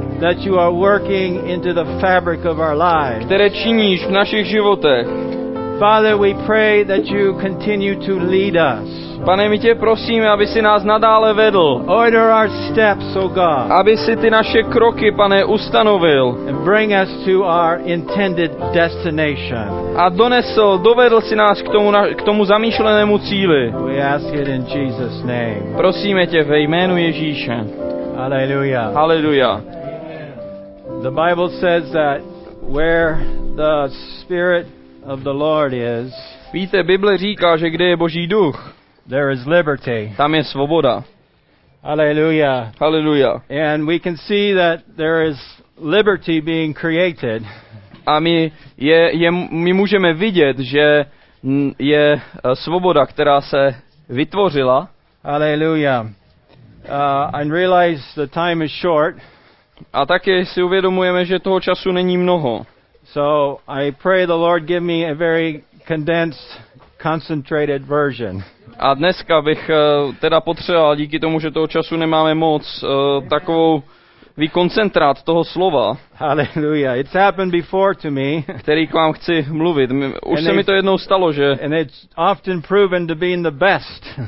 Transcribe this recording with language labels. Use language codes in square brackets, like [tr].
[en] That you are working into the fabric of our lives. [cs] Které činíš v našich životech. [en] Father, we pray that you continue to lead us. [cs] Pane, my tě prosíme, aby si nás nadále vedl. [en] Order our steps, O God. [cs] Aby si ty naše kroky, Pane, ustanovil. [en] And bring us to our intended destination. [cs] A donesl, dovedl si nás k tomu zamýšlenému cíli. [en] We ask it in Jesus' name. [cs] Prosíme tě ve jménu Ježíše. Alleluja. Alleluja. [en] The Bible says that where the Spirit of the Lord is. [cs] Víte, Bible říká, že kde je Boží duch, [en] there is liberty. [cs] Tam je svoboda. Alleluja. Alleluja. [en] And we can see that there is liberty being created. [cs] A my můžeme vidět, že je svoboda, která se vytvořila. [en] Alleluja. I realize the time is short. [cs] A také si uvědomujeme, že toho času není mnoho. [en] So I pray the Lord give me a very condensed, concentrated version. [cs] A dneska bych teda potřeboval, díky tomu, že toho času nemáme moc, takovou vykoncentrát toho slova. [en] Hallelujah. It's happened before to me. [cs] Který k vám chci mluvit. Už se mi to jednou stalo, že. [en] And it's often proven to be in the best.